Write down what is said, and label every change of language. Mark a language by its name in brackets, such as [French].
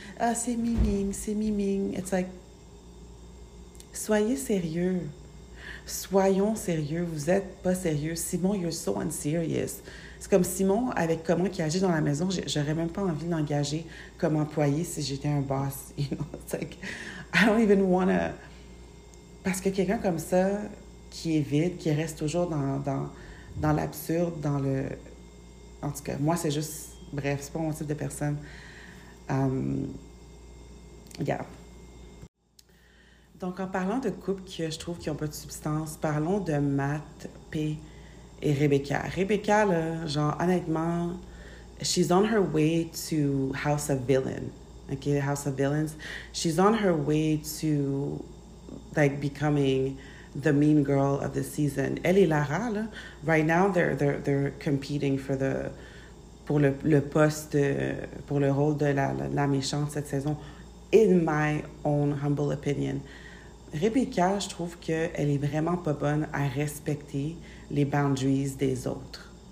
[French] Ah, c'est miming, [English] it's like... [French] Soyez sérieux. Soyons sérieux, vous êtes pas sérieux. Simon, [English] you're so unserious. [French] C'est comme Simon, avec comment il agit dans la maison, j'aurais même pas envie de l'engager comme employé si j'étais un boss. [English] You know, it's like, I don't even wanna... [French] Parce que quelqu'un comme ça, qui est vide, qui reste toujours dans l'absurde, dans le... En tout cas, moi, c'est juste... Bref, c'est pas mon type de personne. Yeah. Donc, en parlant de couples que je trouve qui n'ont pas de substance, parlons de Matt, P et Rebecca. [English] Rebecca, [French] là, genre, honnêtement, [English] she's on her way to House of Villains. OK, House of Villains. She's on her way to, like, becoming the mean girl of the season. [French] Elle et Lara, là, [English] right now, they're competing for the... [French] pour le poste, pour le rôle de la méchante cette saison. [English] In my own humble opinion, [French] Rebecca, je trouve qu'elle est vraiment pas bonne à respecter les boundaries des autres.